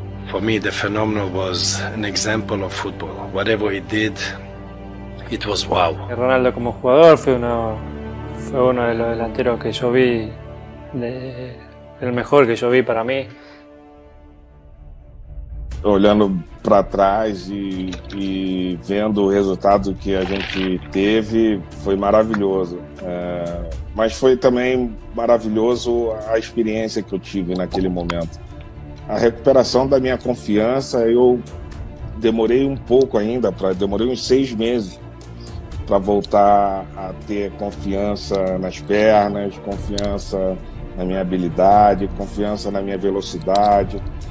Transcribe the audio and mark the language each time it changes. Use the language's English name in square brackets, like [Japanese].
[English] For me, the phenomenon was an example of football. Whatever he did, it was wow. [Spanish] Ronaldo como jugador fue uno de los delanteros que yo vi, el mejor que yo vi para mí. [Portuguese] Olhando para trás e vendo o resultado que a gente teve, foi maravilhoso. Mas foi também maravilhoso a experiência que eu tive naquele momento. A recuperação da minha confiança, eu demorei um pouco ainda, demorei uns 6 meses para voltar a ter confiança nas pernas, confiança na minha habilidade, confiança na minha velocidade.